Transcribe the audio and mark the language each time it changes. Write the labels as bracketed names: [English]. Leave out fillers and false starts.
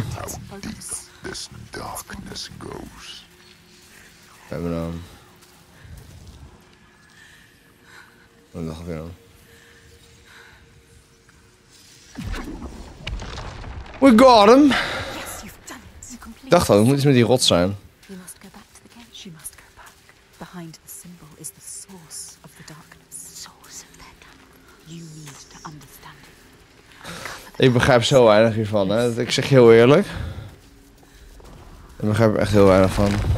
[English] How deep this darkness goes. [Dutch] We hebben hem. Wat dacht ik dan? [English] We got him! Yes, you've done it. [Dutch] Ik dacht al, het moet iets met die rot zijn. [English] We must go back to the cave. She must go back. Behind the symbol is the source of the darkness. Source of their darkness. You need to understand it. [Dutch] Ik begrijp zo weinig hiervan, hè. Ik zeg je heel eerlijk. Ik begrijp er echt heel weinig van.